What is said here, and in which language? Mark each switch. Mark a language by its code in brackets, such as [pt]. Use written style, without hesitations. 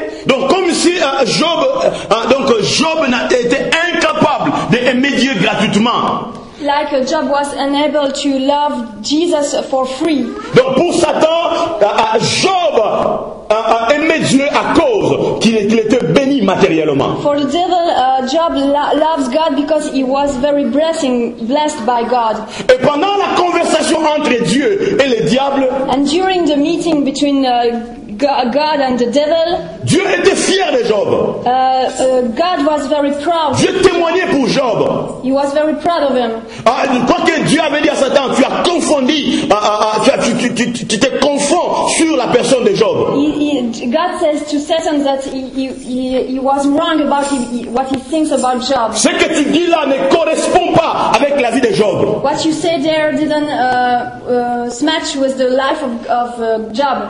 [fr] Donc comme si Job n'a été incapable d'aimer Dieu gratuitement. [en] Like Job was unable to love Jesus for free. [fr] Donc pour Satan, Job aimait Dieu à cause qu'il était béni matériellement. [en] For the devil, Job loves God because he was very blessed by God. [fr] Et pendant la conversation entre Dieu et le diable, [en] and during the meeting between God and the devil, [fr] Dieu était fier de Job. [en] God was very proud. [fr] Dieu témoignait pour Job. [en] He was very proud of him. [fr] Quoi que Dieu avait dit à Satan, tu as confondu, tu te confonds sur la personne de Job. [en] God says to Satan that he was wrong about what he thinks about Job. [fr] Ce que tu dis là ne correspond pas avec la vie de Job. [en] What you say there didn't match with the life of Job.